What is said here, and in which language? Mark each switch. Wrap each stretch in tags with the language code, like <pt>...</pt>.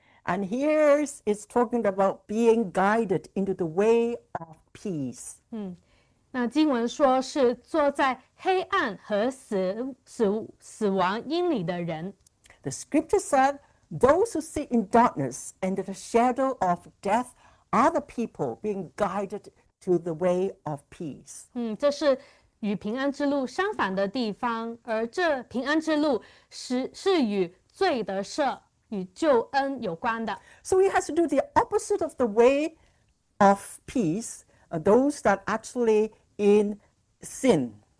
<en>And here it's talking about being guided into the way of peace.</en> <zh>那经文说是坐在黑暗和死亡阴里的人。</zh> <en>The scripture said, those who sit in darkness and in the shadow of death are the people being guided to the way of peace.</en> <zh>这是与平安之路相反的地方，而这平安之路是与罪得赦。</zh> <en>So he has to do the opposite of the way of peace, those that are actually in sin.</en>